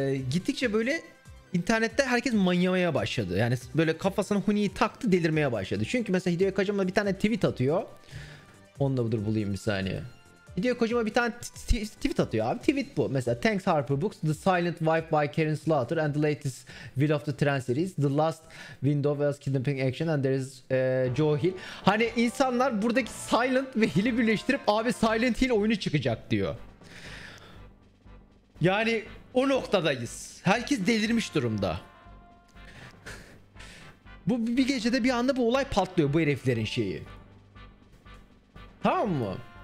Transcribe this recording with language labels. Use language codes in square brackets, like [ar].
[tr] Gittikçe böyle internette herkes manyamaya başladı. Yani böyle kafasına huniyi taktı, delirmeye başladı. Çünkü mesela Hideo Kojima bir tane tweet atıyor. Onu da budur bulayım bir saniye. Hideo Kojima bir tane tweet atıyor abi. Tweet bu. [en] Mesela Thanks Harper Books, The Silent Wife by Karen Slaughter and the latest Will of the Trend series. The Last Window was Kidnapping Action and there is Joe Hill. [tr] Hani insanlar buradaki Silent ve Hill'i birleştirip abi Silent Hill oyunu çıkacak diyor. Yani o noktadayız. Herkes delirmiş durumda. Bu bir gecede bir anda bu olay patlıyor, bu heriflerin şeyi. Tamam mı?